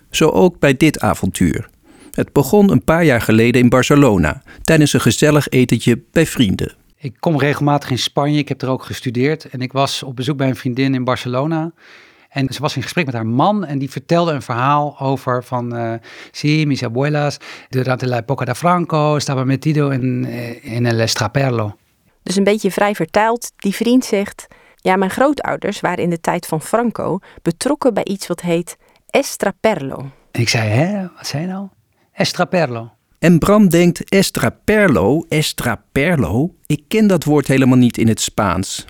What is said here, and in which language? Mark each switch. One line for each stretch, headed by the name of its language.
Dutch: Zo ook bij dit avontuur. Het begon een paar jaar geleden in Barcelona, tijdens een gezellig etentje bij vrienden. Ik kom regelmatig in Spanje, ik heb er ook gestudeerd en ik was op bezoek bij een vriendin in Barcelona. En ze was in gesprek met haar man en die vertelde een verhaal over van...
Spanish: mis abuelas, durante la época de Franco, estaba metido en el Straperlo.
Dutch: Dus een beetje vrij vertaald, die vriend zegt... Ja, mijn grootouders waren in de tijd van Franco betrokken bij iets wat heet Straperlo. En ik zei, hè, wat zei je nou? Straperlo. En Bram denkt, Straperlo, ik ken dat woord helemaal niet in het Spaans.